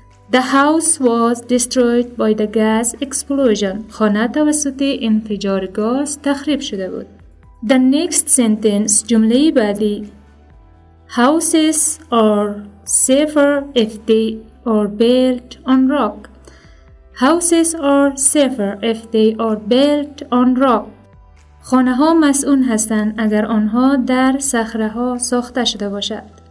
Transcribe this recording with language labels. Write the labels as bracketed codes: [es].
[en] The house was destroyed by the gas explosion. [fa] خانه توسط انفجار گاز تخریب شده بود. [en] The next sentence, [fa] جمله بعدی. [en] Houses are safer if they are built on rock. Houses are safer if they are built on rock. [fa] خانه ها مسئول هستند اگر آنها در صخره ها ساخته شده باشد.